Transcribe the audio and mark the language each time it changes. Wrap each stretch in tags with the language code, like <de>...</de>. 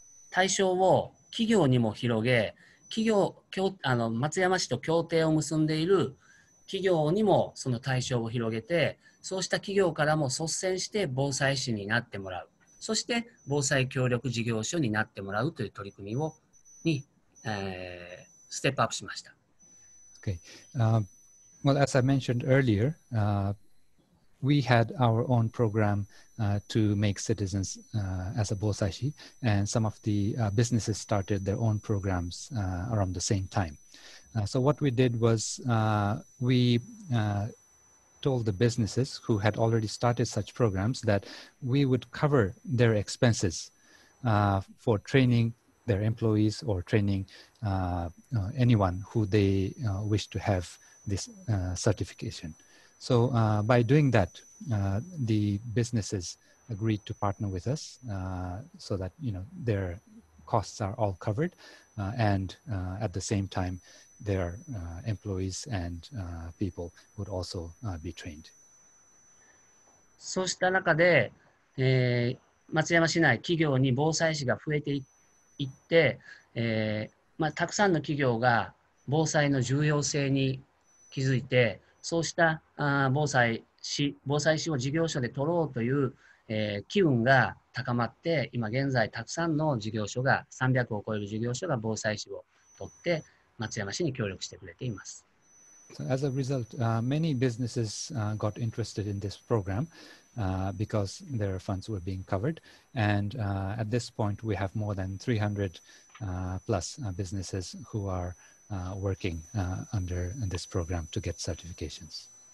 <ja>対象を企業にも広げ、松山市と協定を結んでいる企業にもその対象を広げて、そうした企業からも率先して防災士になってもらう、そして防災協力事業所になってもらうという取り組みをに、</ja> <en>step up</en> <ja>しました。</ja> <en>Okay. Well, as I mentioned earlier, we had our own program to make citizens as a bosashi, and some of the businesses started their own programs around the same time. So what we did was told the businesses who had already started such programs that we would cover their expenses for training their employees or training anyone who they wish to have this certification. So by doing that, the businesses agreed to partner with us so that their costs are all covered, and at the same time, their employees and people would also be trained.</en> <ja>そうした中で、松山市内企業に防災士が増えていって、たくさんの企業が防災の重要性に気づいて、そうした防災士を事業所で取ろうという、機運が高まって、今現在たくさんの事業所が300を超える事業所が防災士を取って松山市に協力してくれています。</ja> <en>So as a result, many businesses got interested in this program because their funds were being covered, and at this point we have more than 300 plus businesses who are working under this program to get certifications.</en>